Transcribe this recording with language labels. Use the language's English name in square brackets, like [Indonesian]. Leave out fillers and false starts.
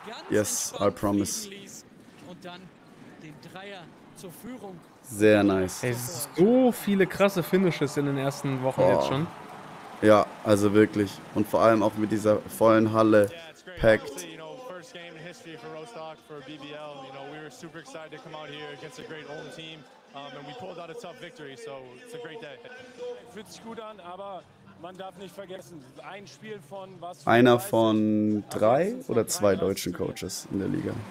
[English] Yes, I promise. [German] Und dann den Dreier zur Führung. Sehr nice. Hey, so viele krasse Finishes in den ersten Wochen jetzt schon. Ja, also wirklich. Und vor allem auch mit dieser vollen Halle packed. [English] For Rostock, for BBL, you know, we were super excited to come out here against a great home team, and we pulled out a tough victory, so it's a great day. [German] Fühlt sich gut an, aber man darf nicht vergessen, ein Spiel von was? Einer von drei oder zwei deutschen Coaches in der Liga.